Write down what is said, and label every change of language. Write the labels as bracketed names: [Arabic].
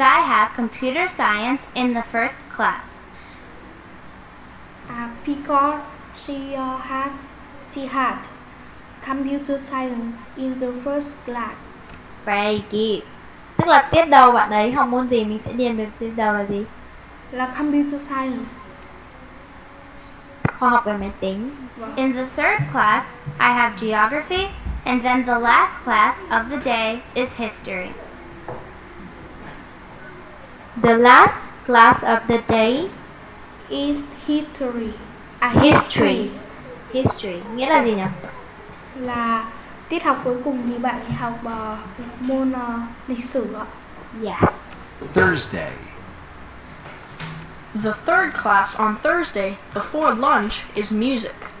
[English] I have computer science in the first class. Because she had computer science in the first class. Very good. [Vietnamese] Tức là tiết đầu bạn ấy học môn gì mình sẽ điền được tiết đầu là gì? [English] Là computer science. [Vietnamese] Khoa học về máy tính. [English] In the third class, I have geography. And then the last class of the day is history. The last class of the day is history. [Vietnamese] History. Nghĩa là gì nhỉ? Là tiết học cuối cùng thì bạn học môn lịch sử ạ. [English] Yes. Thursday. The third class on Thursday before lunch is music.